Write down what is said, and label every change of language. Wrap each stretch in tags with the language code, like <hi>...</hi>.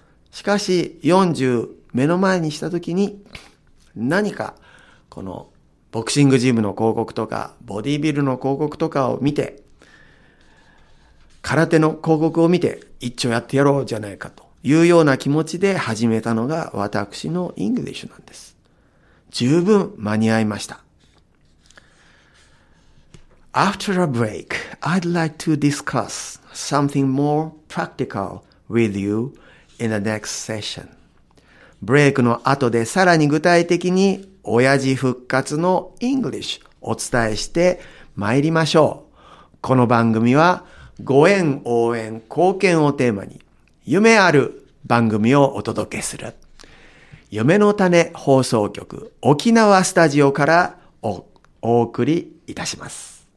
<ja>しかし40目の前にした時に、何かこのボクシングジムの広告とかボディービルの広告とかを見て、空手の広告を見て一丁やってやろうじゃないかというような気持ちで始めたのが私のイングリッシュなんです。十分間に合いました。</ja> <en>After a break, I'd like to discuss something more practical with you in the next session.</en> <ja>ブレイクの後でさらに具体的に親父復活のイングリッシュお伝えしてまいりましょう。この番組はご縁、応援、貢献をテーマに夢ある番組をお届けする夢の種放送局沖縄スタジオから お送りいたします。</ja>